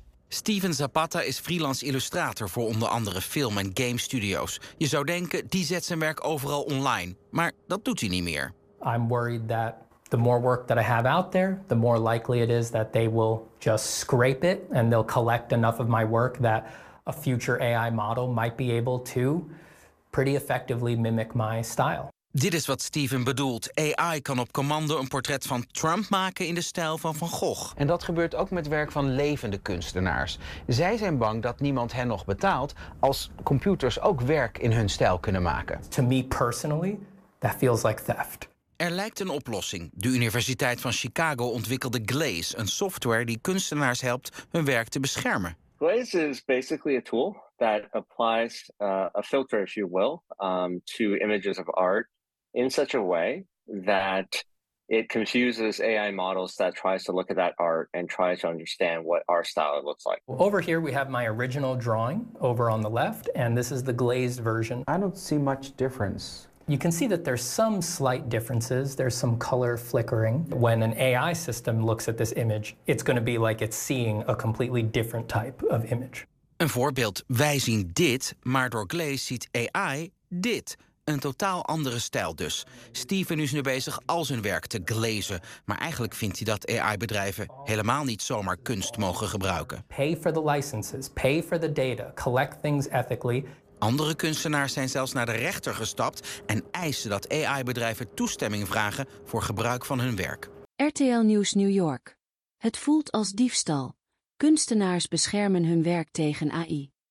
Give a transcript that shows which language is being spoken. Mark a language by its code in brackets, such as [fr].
[nl] Steven Zapata is freelance illustrator voor onder andere film- en game studios. Je zou denken, die zet zijn werk overal online, maar dat doet hij niet meer. [en] I'm worried that the more work that I have out there, the more likely it is that they will just scrape it and they'll collect enough of my work that a future AI model might be able to pretty effectively mimic my style. [nl] Dit is wat Steven bedoelt. AI kan op commando een portret van Trump maken in de stijl van Van Gogh. En dat gebeurt ook met werk van levende kunstenaars. Zij zijn bang dat niemand hen nog betaalt als computers ook werk in hun stijl kunnen maken. [en] To me personally, that feels like theft. [nl] Er lijkt een oplossing. De Universiteit van Chicago ontwikkelde Glaze, een software die kunstenaars helpt hun werk te beschermen. [en] Glaze is basically a tool that applies a filter, if you will, to images of art in such a way that it confuses AI models that tries to look at that art and tries to understand what art style it looks like. Over here we have my original drawing over on the left, and this is the glazed version. I don't see much difference. You can see that there's some slight differences. There's some color flickering. When an AI system looks at this image, it's going to be like it's seeing a completely different type of image. [nl] Een voorbeeld, wij zien dit, maar door Glaze ziet AI dit. Een totaal andere stijl dus. Steven is nu bezig al zijn werk te glazen. Maar eigenlijk vindt hij dat AI-bedrijven helemaal niet zomaar kunst mogen gebruiken. [en] Pay for the licenses, pay for the data, collect things ethically. [nl] Andere kunstenaars zijn zelfs naar de rechter gestapt en eisen dat AI-bedrijven toestemming vragen voor gebruik van hun werk. RTL Nieuws New York. Het voelt als diefstal. Kunstenaars beschermen hun werk tegen AI.